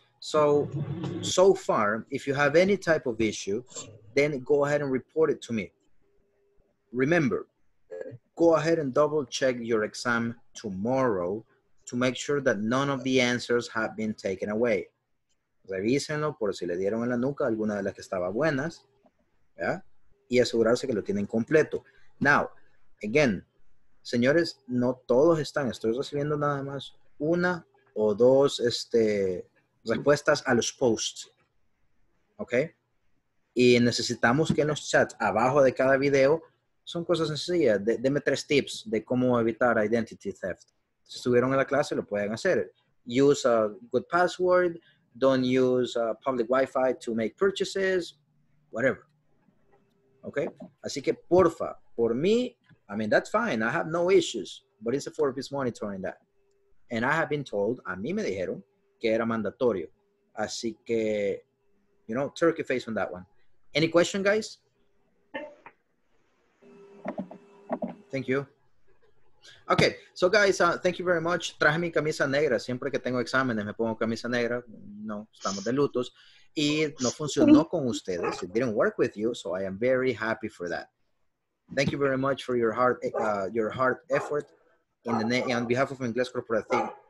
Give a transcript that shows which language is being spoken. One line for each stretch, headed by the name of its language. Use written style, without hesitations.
English: So far, if you have any type of issue, then go ahead and report it to me. Remember, go ahead and double check your exam tomorrow to make sure that none of the answers have been taken away.
Spanish: Revísenlo por si le dieron en la nuca alguna de las que estaban buenas, ¿ya? Y asegurarse que lo tienen completo.
English: Now, again,
Spanish: señores, no todos están. Estoy recibiendo nada más una o dos respuestas a los posts. ¿Ok? Y necesitamos que en los chats, abajo de cada video, son cosas sencillas. Deme tres tips de cómo evitar identity theft. Si estuvieron en la clase, lo pueden hacer.
English: Use a good password. Don't use public Wi-Fi to make purchases. Whatever. ¿Ok?
Spanish: Así que, porfa, por mí,
English: I mean, that's fine. I have no issues, but it's a four-piece monitoring that. And I have been told,
Spanish: a mí me dijeron,
English: que era mandatorio.
Spanish: Así que,
English: you know, turkey face on that one. Any question, guys? Thank you. Okay, so guys, thank you very much.
Spanish: Traje mi camisa negra. Siempre que tengo exámenes, me pongo camisa negra. No, estamos de lutos. Y no funcionó con ustedes.
English: It didn't work with you, so I am very happy for that. Thank you very much for your hard effort on behalf of Ingles Corporativo.